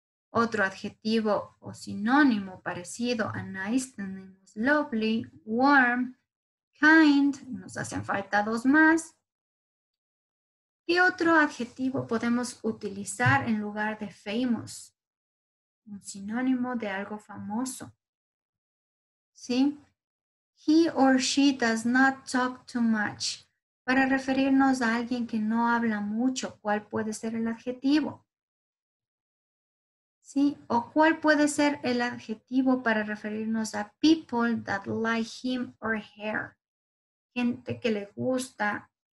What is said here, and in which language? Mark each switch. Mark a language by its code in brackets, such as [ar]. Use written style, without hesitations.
[es] Otro adjetivo o sinónimo parecido a nice tenemos lovely, warm, kind. Nos hacen falta dos más. ¿Qué otro adjetivo podemos utilizar en lugar de famous? Un sinónimo de algo famoso. ¿Sí? [en] He or she does not talk too much. [es] Para referirnos a alguien que no habla mucho, ¿cuál puede ser el adjetivo? ¿Sí? ¿O cuál puede ser el adjetivo para referirnos a [en] people that like him or her? [es] Gente que le gusta.